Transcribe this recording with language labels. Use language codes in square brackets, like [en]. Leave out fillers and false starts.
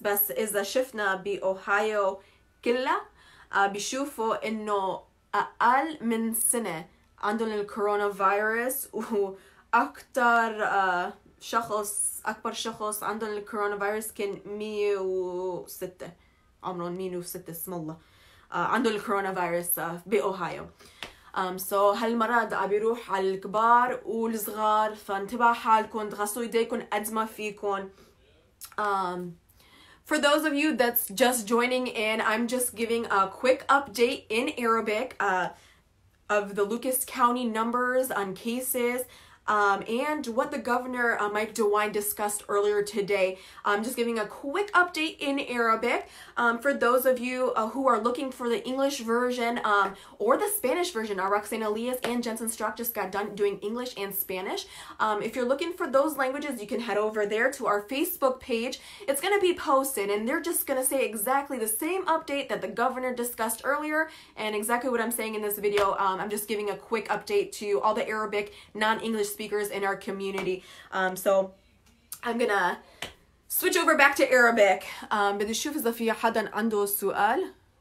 [ar] بس اذا شفنا باوهايو كلها بيشوفوا انه اقل من سنه عندهم الكورونا فيروس، واكثر شخص اكبر شخص عندهم الكورونا فيروس كان 106 عمره 106 اسم الله عنده الكورونا فيروس باوهايو. سو هالمرض عم يروح على الكبار والصغار، فانتبهوا حالكم، غسلوا ايديكم قد ما فيكم. [en] For those of you that's just joining in, I'm just giving a quick update in Arabic of the Lucas County numbers on cases and what the governor Mike DeWine discussed earlier today. I'm just giving a quick update in Arabic. For those of you who are looking for the English version or the Spanish version, Roxane Elias and Jensen Strock just got done doing English and Spanish. If you're looking for those languages, you can head over there to our Facebook page. It's going to be posted, and they're just going to say exactly the same update that the governor discussed earlier and exactly what I'm saying in this video. I'm just giving a quick update to all the Arabic non-English speakers in our community. So I'm gonna switch over back to Arabic. [ar] بنشوف إذا في حدا عنده سؤال.